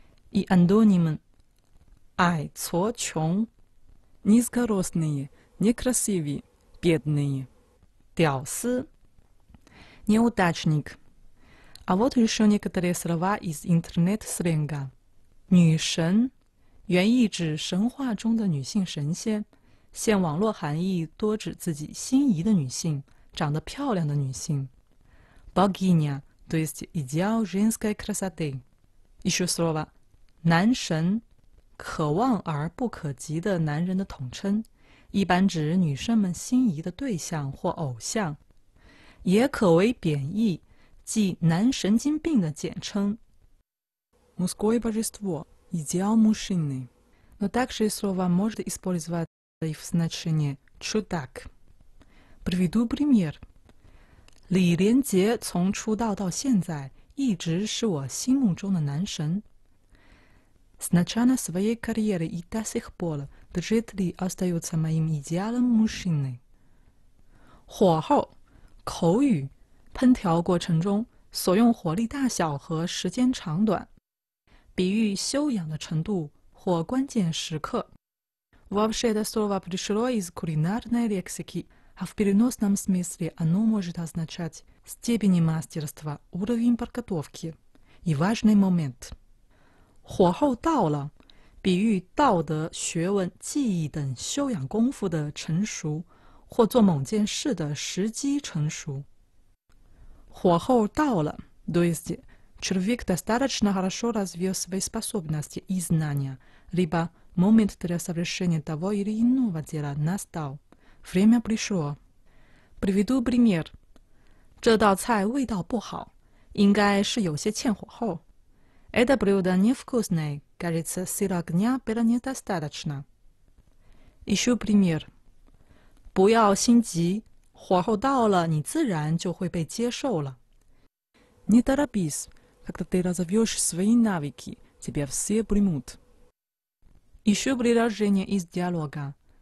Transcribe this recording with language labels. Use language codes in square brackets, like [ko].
[ru] И антоним «ай цо чон» – низкоростные, некрасивые, бедные. «Дяо си» – неудачник. А вот еще некоторые слова из интернет-сленга. [zh] 女神, 原意指神话中的女性神仙, 现网络含义多指自己心仪的女性, 长得漂亮的女性. [ru] богиня, то есть идеал женской красоты. Еще слово «наншен» – [zh] «渴望而不可及的男人的统称», «一般指女生们心仪的对象或偶像». «也可为贬义», «即 男神经病的简称». [ru] «Мужское божество» – «идеал мужчины». Но также слово может использоваться и в значении «чудак». Приведу пример. [zh] Ли Ленцзе, 从出道到现在一直是我心目中的男神. [ru] С начала своей карьеры и до сих пор Джет Ли остается моим идеалом мужчины. [zh] 火候, 口语, 烹调过程中, 所用火力大小和时间长短, 比喻修养的程度, 或关键时刻. [ru] Вообще это слово пришло из кулинарной лексики, а в переносном смысле оно может означать степень мастерства, уровень подготовки и важный момент. [zh] 火候到了, 比喻道德、学问、技艺等修养功夫的成熟, 或做某件事的时机成熟. 火候到了, [ru] то есть человек достаточно хорошо развил свои способности и знания, либо момент для совершения того или иного дела настал. Время пришло. Приведу пример. [zh] 这道菜味道不好, 应该是有些欠火候. [ru] Это блюдо невкусное, кажется, сил огня было недостаточно. Еще пример. [zh] 不要心急, 火候到了,你自然就会被接受了. [ru] Не торопись, когда ты разовьешь свои навыки, тебя все примут. Еще предложение из диалога.